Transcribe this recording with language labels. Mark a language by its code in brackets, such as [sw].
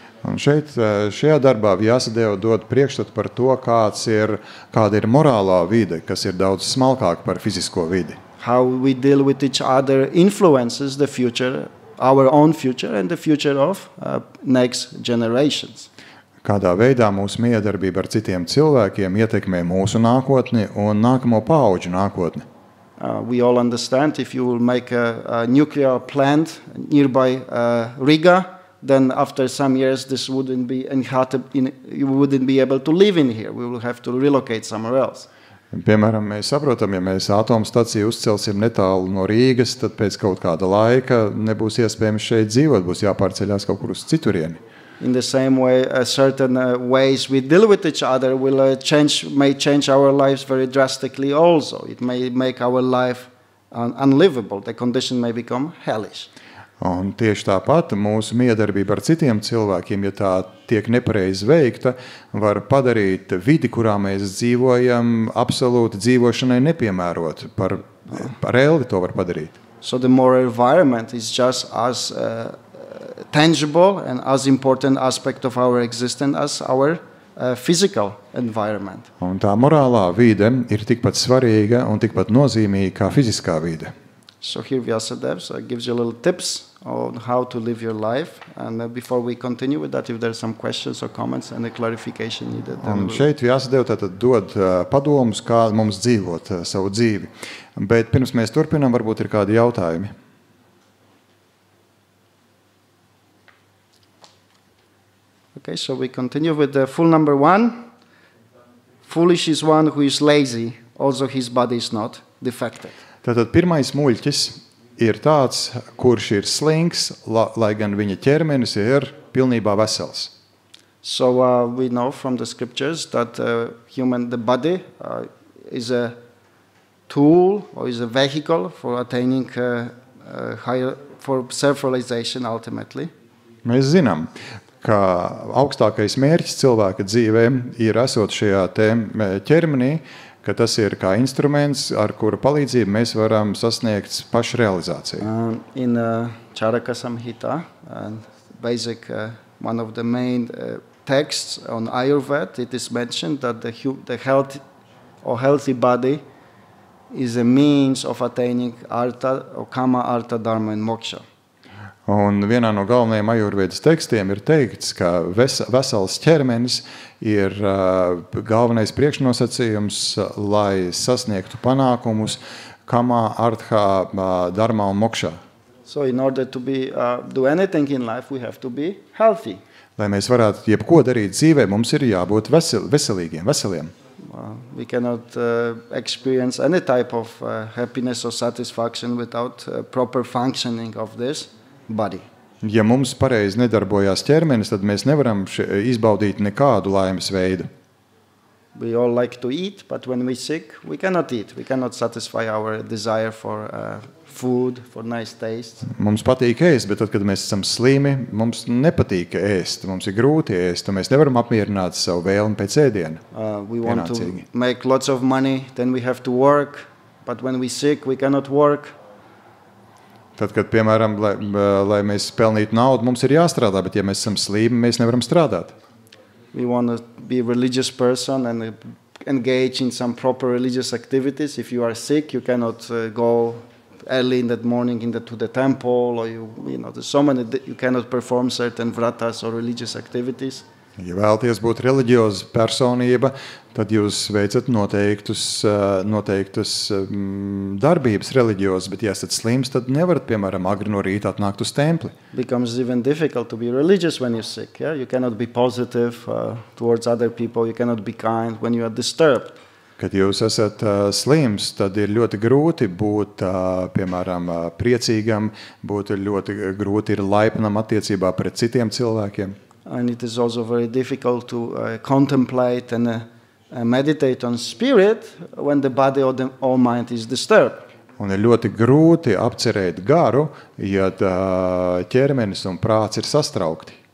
[lv] Un šeit, šajā darbā Vyasadeva dod priekšstatu par to, kāda ir morālā vide, kas ir daudz smalkāka par fizisko vidi. [en] How we deal with each other influences the future, our own future and the future of next generations. [lv] Kādā veidā mūsu miedarbība ar citiem cilvēkiem ietekmē mūsu nākotni un nākamo paaudžu nākotni. [en] We all understand if you will make a nuclear plant nearby Riga, then after some years this wouldn't be inhabitable, you wouldn't be able to live in here, we will have to relocate somewhere else. [lv] Piemēram, mēs saprotam, ja mēs atomstaciju uzcelsim netālu no Rīgas, tad pēc kaut kāda laika nebūs iespējams šeit dzīvot, būs jāpārceļās kaut kur uz citurieni. [en] In the same way, certain ways we deal with each other will may change our lives very drastically also. It may make our life unlivable. The condition may become hellish. [lv] Un tieši tāpat mūsu miedarbība ar citiem cilvēkiem, ja tā tiek nepareizi veikta, var padarīt vidi, kurā mēs dzīvojam, absolūti dzīvošanai nepiemērot. Par reāli to var padarīt. [en] So the moral environment is just as tangible and as important aspect of our existence as our physical environment. [lv] Un tā morālā vide ir tikpat svarīga un tikpat nozīmīga kā fiziskā vide. [en] So here Vyasadevs gives you a little tips on how to live your life, and before we continue with that, if there are some questions or comments and a clarification needed. [lv] Un šeit Vyasadeva tātad dod padomus, kā mums dzīvot savu dzīvi. Bet pirms mēs turpinām, varbūt ir kādi jautājumi. [en] Okay, so we continue with the fool number one. Foolish is one who is lazy, also his body is not defective. [lv] Tātad pirmais muļķis ir tāds, kurš ir slinks, lai gan viņa ķermenis ir pilnībā vesels. [en] So we know from the scriptures that the body is a tool or is a vehicle for attaining for self-realization ultimately. [lv] Mēs zinām, ka augstākais mērķis cilvēka dzīvē ir esot šajā ķermenī, ka tas ir kā instruments, ar kura palīdzību mēs varam sasniegt pašrealizāciju. [en] In Charaka Samhita, basic one of the main texts on Ayurveda, it is mentioned that the health or healthy body is a means of attaining artha or kama artha dharma and moksha. [lv] Un vienā no galvenajiem ajurvēdas tekstiem ir teikts, ka vesels ķermenis ir galvenais priekšnosacījums, lai sasniegtu panākumus kamā, arthā, dharmā un mokšā. [en] So in order to be, do anything in life, we have to be healthy. [lv] Lai mēs varētu jebko darīt dzīvē, mums ir jābūt veselīgiem, veseliem. [en] We cannot experience any type of happiness or satisfaction without proper functioning of this. Body. [lv] Ja mums pareizi nedarbojās ķermenis, tad mēs nevaram izbaudīt nekādu laimes veidu. [en] We all like to eat, but when we sick, we cannot eat. We cannot satisfy our desire for food, for nice taste. [lv] Mums patīk ēst, bet tad, kad mēs esam slīmi, mums nepatīk ēst. Mums ir grūti ēst, un mēs nevaram apmierināt savu vēlmi pēc ēdiena. [en] We want to make lots of money, then we have to work, but when we sick, we cannot work. [lv] Tad, kad, piemēram, lai mēs pelnītu naudu, mums ir jāstrādā, bet ja mēs esam slīmi, mēs nevaram strādāt. [en] We want to be a religious person and engage in some proper religious activities. If you are sick, you cannot go early in that morning to the temple or you know, there's so many that you cannot perform certain vratas or religious activities. [lv] Ja vēlties būt reliģioza personība, tad jūs veicat noteiktus darbības reliģiozas, bet ja esat slims, tad nevarat, piemēram, agri no rīta atnākt uz templi. [en] It becomes even difficult to be religious when you're sick. Yeah? You cannot be positive towards other people, you cannot be kind when you are disturbed. [lv] Kad jūs esat slims, tad ir ļoti grūti būt, piemēram, priecīgam, būt ļoti grūti ir laipnam attiecībā pret citiem cilvēkiem. [en] And it is also very difficult to contemplate and meditate on spirit when the body or the or mind is disturbed. [lv] Un ir ļoti grūti apcerēt garu, ja ķermenis un prāts ir sastraukti.